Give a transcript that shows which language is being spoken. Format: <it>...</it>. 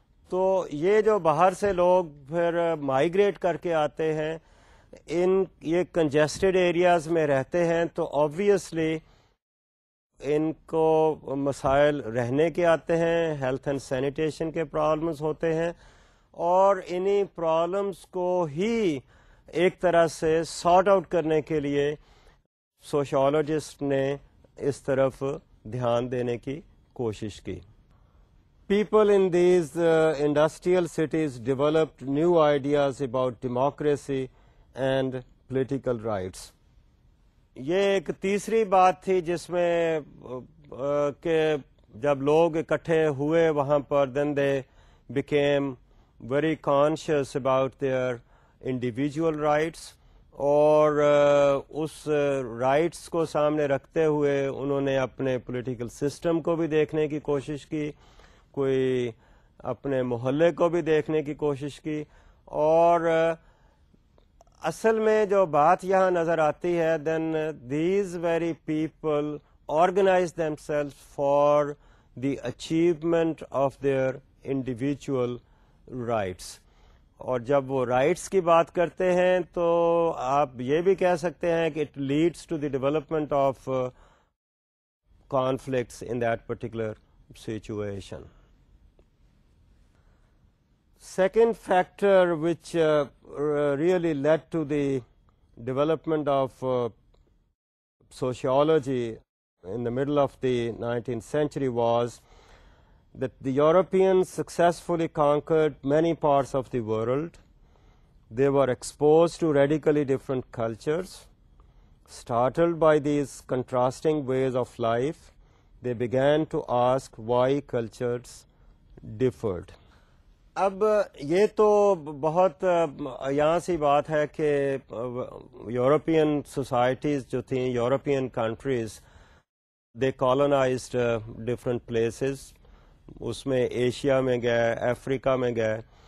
<ur>تو یہ جو باہر سے لوگ پھر مائگریٹ کر کے آتے ہیں, ان یہ کنجیسٹڈ ایریاز میں رہتے ہیں, تو آبویسلی ان کو مسائل رہنے کے آتے ہیں, ہیلتھ اینڈ سینیٹیشن کے پرابلمز ہوتے ہیں, اور انہی پرابلمز کو ہی ایک طرح سے سارٹ آؤٹ کرنے کے لیے سوشیولوجسٹ نے اس طرف دھیان دینے کی کوشش کی.</ur> <en>People in these industrial cities developed new ideas about democracy and political rights.</en> <ur>یہ ایک تیسری بات تھی جس میں کہ جب لوگ اکٹھے ہوئے وہاں پر,</ur> <en>then they became very conscious about their individual rights,</en> <ur>اور اس rights کو سامنے رکھتے ہوئے انہوں نے اپنے political system کو بھی دیکھنے کی کوشش کی, کوئی اپنے محلے کو بھی دیکھنے کی کوشش کی. اور اصل میں جو بات یہاں نظر آتی ہے,</ur> <en>Then these very people organize them self for the achievement of their individual rights.</en> <ur>اور جب وہ رائٹس کی بات کرتے ہیں تو آپ یہ بھی کہہ سکتے ہیں کہ</ur> <en>It leads to the development of conflicts in that particular situation. Second factor which really led to the development of sociology in the middle of the 19th century was that the Europeans successfully conquered many parts of the world. They were exposed to radically different cultures. Startled by these contrasting ways of life, they began to ask why cultures differed.</en> <ur>اب یہ تو بہت یہاں سی بات ہے کہ European societies جو تھیں, یورپین کنٹریز,</ur> <en>they colonized different places,</en> <ur>اس میں ایشیا میں گئے, افریقہ میں گئے.</ur>